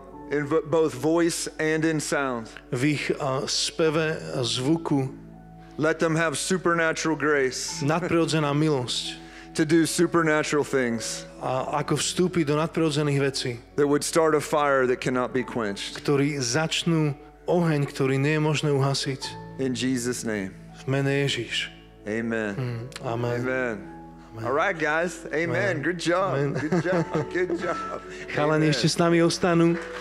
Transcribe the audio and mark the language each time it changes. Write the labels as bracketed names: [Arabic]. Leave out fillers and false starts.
[English] In both voice and in sound. [Slovak] V ich speve a zvuku. [English] Let them have supernatural grace. [Slovak] Nadprirodzená milosť. [English] To do supernatural things. [Slovak] A ako vstúpiť do nadprirodzených vecí. [English] That would start a fire that cannot be quenched. [Slovak] Ktorý začnú oheň, ktorý nie je možné uhasiť. [English] In Jesus' name. [Slovak] V mene Ježiš. Amen. Amen. [English] Amen. All right, guys. Amen. Good job. Amen. Good job. [Slovak] Chalani, ešte s nami ostanú.